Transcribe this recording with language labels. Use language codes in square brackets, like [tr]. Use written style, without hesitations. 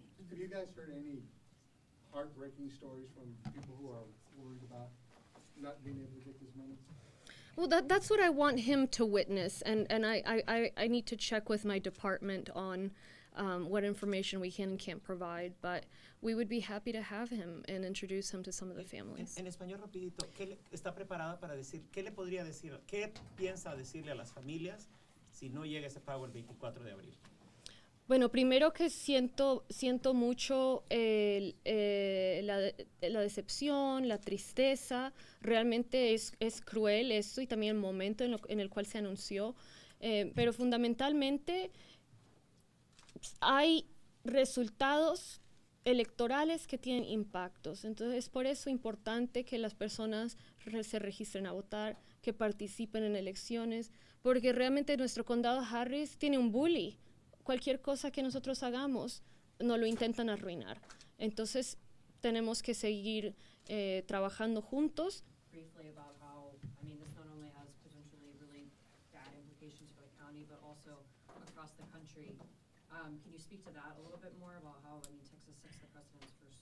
[en] Have you guys heard any heartbreaking stories from people who are worried about not being able to get this money? Well, that's what I want him to witness, and I need to check with my department on what information we can and can't provide, but we would be happy to have him and introduce him to some of the families. [es] En español rapidito, ¿qué está preparada para decir? ¿Qué le podría decir? ¿Qué piensa decirle a las familias si no llega ese pago el 24 de abril? Bueno, primero que siento mucho la decepción, la tristeza. Realmente es cruel esto y también el momento en el cual se anunció. Pero fundamentalmente hay resultados electorales que tienen impactos. Entonces, es por eso importante que las personas se registren a votar, que participen en elecciones, porque realmente nuestro condado Harris tiene un bully. Cualquier cosa que nosotros hagamos, no lo intentan arruinar. Entonces, tenemos que seguir trabajando juntos. [en] Briefly about how, I mean, this not only has potentially really bad implications for the county, but also across the country. Can you speak to that a little bit more about how, I mean, Texas sets the precedent